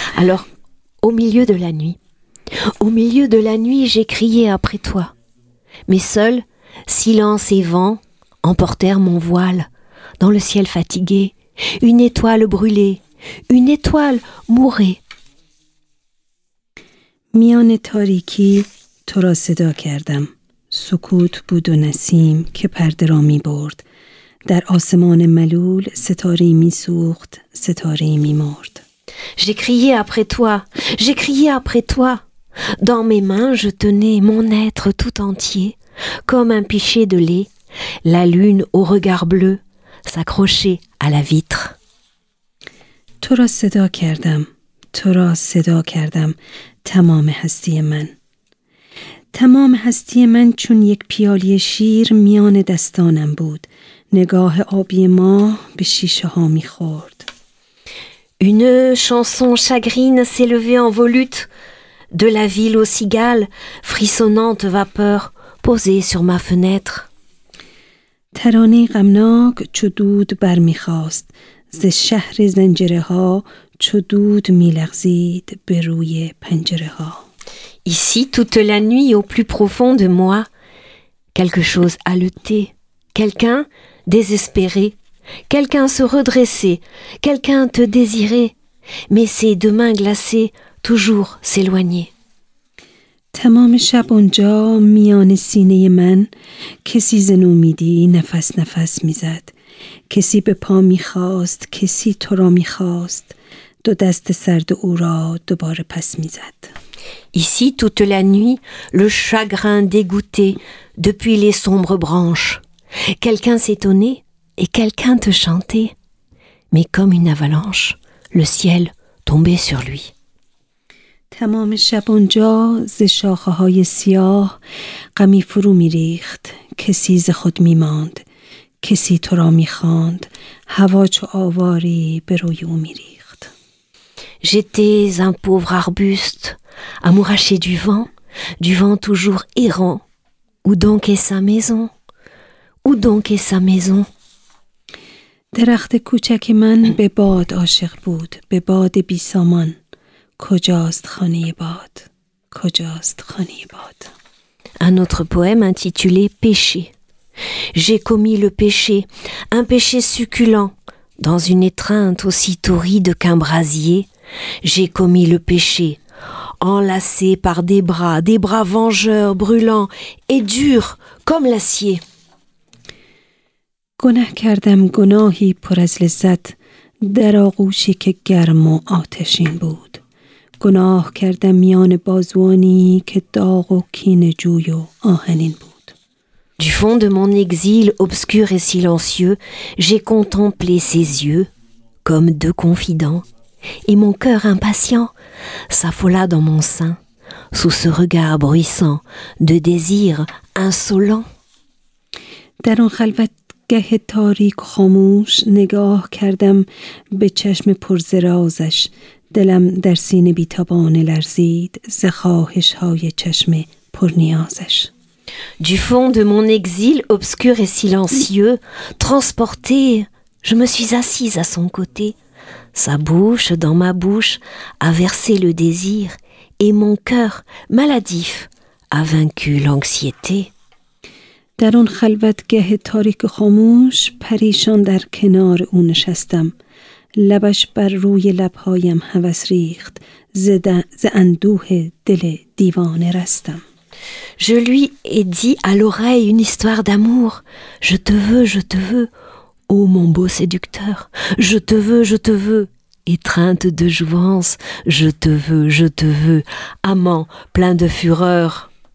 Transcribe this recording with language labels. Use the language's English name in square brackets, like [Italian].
[French] Alors, au milieu de la nuit. Au milieu de la nuit, j'ai crié après toi. Mais seul, silence et vent emportèrent mon voile dans le ciel fatigué, une étoile brûlée, une étoile mourée. [Persian] میان تاریکی تو را صدا کردم. سکوت بود و نسیم که پرده را می برد. در آسمان ملول ستاره می سوخت، ستاره می مرد. [French] J'ai crié après toi. J'ai crié après toi. Dans mes mains, je tenais mon être tout entier, comme un pichet de lait, la lune au regard bleu s'accrochait à la vitre. [Persian] تو را صدا کردم، تو را صدا کردم، تمام هستی من. تمام هستی من چون یک پیالی شیر میان دستانم بود. نگاه آبی ما به شیشه ها میخورد. [French] Une chanson chagrine s'est levée en volute. De la ville aux cigales, frissonnante vapeur posée sur ma fenêtre. [Persian] ترانه غمناک چو دود برمیخواست ز شهر زنجره ها چو دود میلغزید به روی پنجره ها. [French] Ici, toute la nuit, au plus profond de moi, quelque chose haletait, quelqu'un désespéré, quelqu'un se redressait, quelqu'un te désirait, mais ses deux mains glacées toujours s'éloigner. [Persian] تمام شب اونجا میان سینه من کسی زنو میدی نفس نفس میزد کسی به پا میخواست کسی تو را میخواست دو دست سرد او را دوباره پس میزد. [French] Ici toute la nuit le chagrin dégoûté depuis les sombres branches quelqu'un s'étonnait et quelqu'un te chantait mais comme une avalanche le ciel tombait sur lui. [Persian] تمام شب اونجا ز شاخه های سیاه غمی فرو می ریخت کسی ز خود می ماند کسی تو را می خواند هوا چو آواری به روی او می ریخت. [French] J'étais un pauvre arbuste amouraché du vent toujours errant. Où donc est sa maison? Où donc est sa maison? [Persian] درخت کوچک من به باد عاشق بود به باد بی سامان. کجاست خانه باد؟ کجاست خانه باد؟ [French] Un autre poème intitulé Péché. J'ai commis le péché, un péché succulent, dans une étreinte aussi torride qu'un brasier. J'ai commis le péché, enlacé par des bras vengeurs, brûlants et durs comme l'acier. [Persian] گناه کردم گناهی پر از لذت در آغوشی که گرم و آتشین بود. گناه کردم میان بازوانی که داغ و کینه جوی و آهنین بود. [French] Du fond de mon exil obscur et silencieux, j'ai contemplé ses yeux comme deux confidents et mon cœur impatient s'affola dans mon sein sous ce regard bruissant de désir insolent. [Persian] در آن خلوتگه تاریک خاموش نگاه کردم به چشم پرزرازش دلم در سینه بیتابان لرزید ز خواهش های چشم پرنیازش. [French] Du fond de mon exil obscur et silencieux, transportée, je me suis assise à son côté. Sa bouche dans ma bouche a versé le désir et mon cœur maladif a vaincu l'anxiété. [Persian] در اون خلوتگه تاریک خاموش پریشان در کنار او نشستم. لبش بر روی لبهایم هوس ریخت ز اندوه دل دیوانه رستم. [French] Je lui ai dit à l'oreille une histoire d'amour. Je te veux, ô mon beau séducteur. Je te veux, étreinte de jouvence. Je te veux, amant plein de fureur.